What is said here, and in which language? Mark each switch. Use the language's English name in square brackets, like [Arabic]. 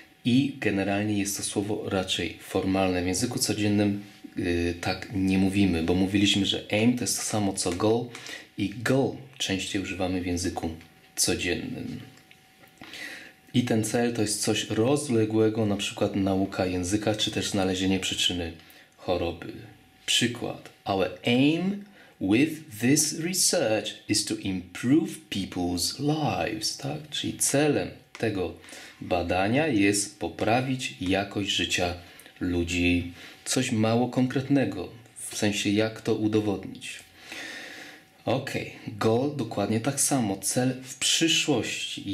[Polish] I generalnie jest to słowo raczej formalne. W języku codziennym tak nie mówimy, bo mówiliśmy, że aim to jest to samo co goal i goal częściej używamy w języku codziennym. I ten cel to jest coś rozległego, na przykład nauka języka, czy też znalezienie przyczyny choroby. Przykład. [English] Our aim with this research is to improve people's lives. [Polish] Tak? Czyli celem tego badania jest poprawić jakość życia ludzi. Coś mało konkretnego, w sensie jak to udowodnić. Ok, goal dokładnie tak samo, cel w przyszłości.